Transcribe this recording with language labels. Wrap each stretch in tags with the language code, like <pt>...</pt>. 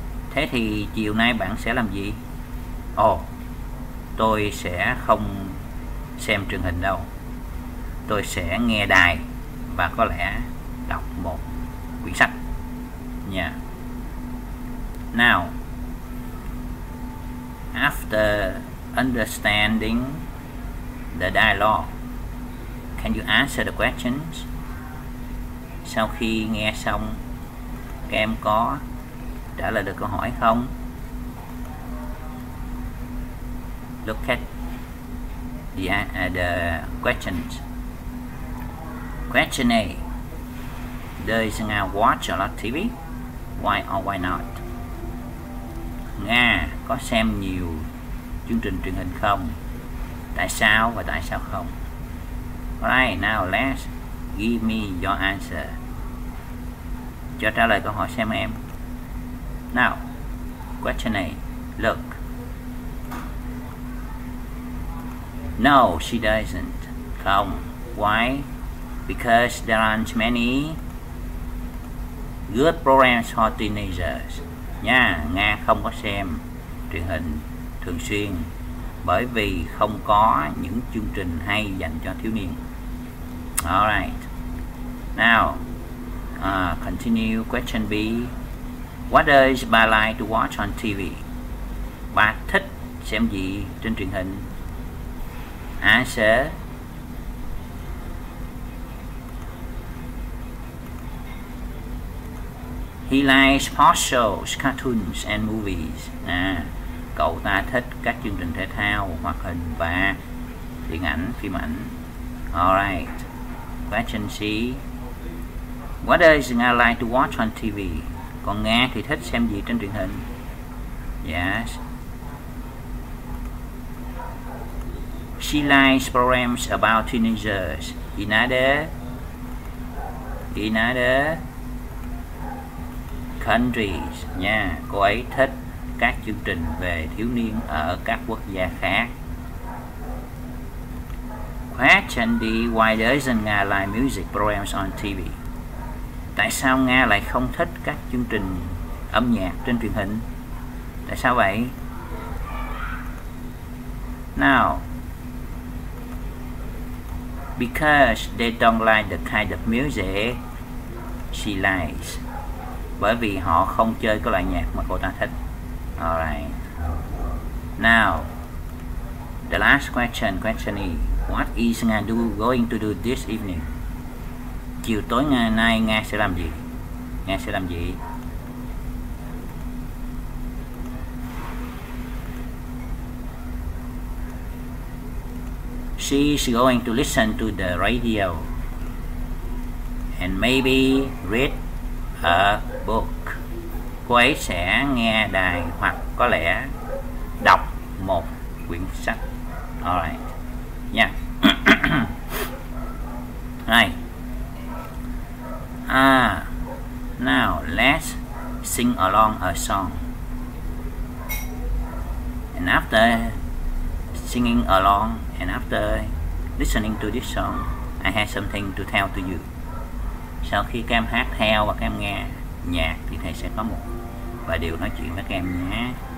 <vi>Thế thì chiều nay bạn sẽ làm gì? Ồ, tôi sẽ không xem truyền hình đâu. Tôi sẽ nghe đài và có lẽ đọc một quyển sách nha.</vi> <en>Now, after understanding the dialogue, can you answer the questions?</en> <vi>Sau khi nghe xong, các em có trả lời được câu hỏi không?</vi> <en>Look at the questions. Question A. Does Nga watch a lot TV? Why or why not?</en> <vi>Nga có xem nhiều chương trình truyền hình không? Tại sao và tại sao không?</vi> <en>Right, now let's give me your answer.</en> <vi>Cho trả lời câu hỏi xem em.</vi> <en>Now, question A. Look. No, she doesn't.</en> <vi>Không.</vi> <en>Why? Because there aren't many good programs for teenagers.</en> <vi>Nha, Nga không có xem truyền hình thường xuyên bởi vì không có những chương trình hay dành cho thiếu niên.</vi> <en>Alright. Now, continue question B. What does Ba like to watch on TV?</en> <vi>Ba thích xem gì trên truyền hình? Answer.</vi> <en>He likes sports shows, cartoons and movies.</en> <vi>À, cậu ta thích các chương trình thể thao, hoạt hình và điện ảnh, phim ảnh.</vi> <en>Alright. Question C. What does Nga like to watch on TV?</en> <vi>Còn Nga thì thích xem gì trên truyền hình?</vi> <en>Yes. She likes programs about teenagers. In other countries.</en> <vi>Nha, cô ấy thích các chương trình về thiếu niên ở các quốc gia khác.</vi> <en>Question D. Why doesn't Nga like music programs on TV?</en> <vi>Tại sao Nga lại không thích các chương trình âm nhạc trên truyền hình? Tại sao vậy?</vi> <en>Now, because they don't like the kind of music she likes.</en> <vi>Bởi vì họ không chơi cái loại nhạc mà cô ta thích.</vi> <en>Alright. Now, the last question, question E. What is Nga going to do this evening?</en> <vi>Chiều tối ngày nay Nga sẽ làm gì? Nga sẽ làm gì?</vi> <en>She is going to listen to the radio and maybe read a book.</en> <vi>Cô ấy sẽ nghe đài hoặc có lẽ đọc một quyển sách.</vi> <en>Alright. Yeah. Right. Now let's sing along a song. And after singing along and after listening to this song, I have something to tell to you.</en> <vi>Sau khi các em hát theo và các em nghe nhạc thì thầy sẽ có một vài điều nói chuyện với các em nhé.</vi>